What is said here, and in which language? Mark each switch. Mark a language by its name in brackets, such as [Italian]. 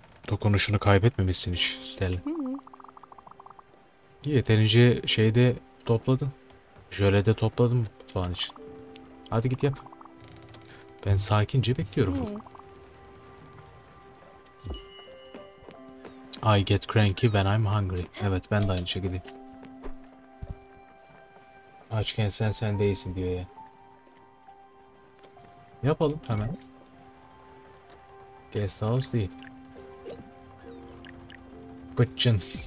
[Turkish] Dokunuşunu kaybetmemişsin hiç Stella. Yeterince şey de topladın. Jöle de topladım falan için. Hadi git yap. Ben sakince bekliyorum burada. [English] I get cranky when I'm hungry. [Turkish] Evet ben de aynı şekilde. Açken sen değilsin diyor ya. Yapalım hemen. Guest house değil. [English] Kitchen.